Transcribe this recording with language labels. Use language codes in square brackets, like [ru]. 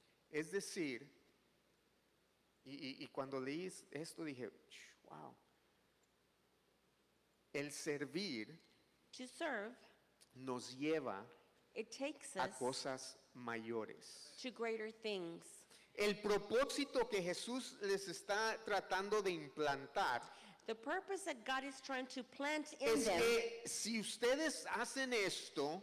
[es] Es decir, y cuando leí esto dije, wow. El servir [en] to serve, [es] nos lleva [en] it takes [es] a cosas mayores. [en] To greater things. [es] El propósito que Jesús les está tratando de implantar. [en] The purpose that God is trying to plant in [es] es [en] them. [es] Es que si ustedes hacen esto.